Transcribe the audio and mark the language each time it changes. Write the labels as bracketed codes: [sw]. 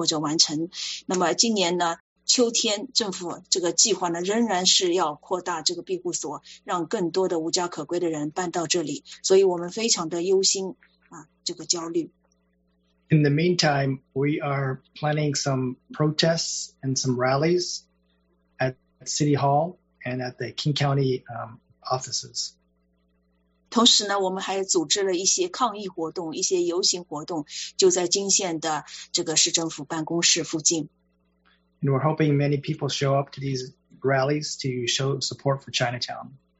[zh] 他说我们呢要求我们的要求呢是能够让我们的社区成员有更多的发言的机会，了解这件事情，所以我们要求一些资料都被翻译成我们本地社区人的这个母语，比方说翻译成中文、广东、粤语，翻译成越南语，但是这些方便社区成员参与的这样一些诉求都没有现在都还没有被同意或者完成。那么今年呢， 秋天政府这个计划呢，仍然是要扩大这个庇护所，让更多的无家可归的人搬到这里，所以我们非常的忧心啊，这个焦虑。 [en] In the meantime, we are planning some protests and some rallies at City Hall and at the King County offices. [zh] 同时呢，我们还组织了一些抗议活动，一些游行活动，就在金县的这个市政府办公室附近。 [en] And we're hoping many people show up to these rallies to show support for Chinatown.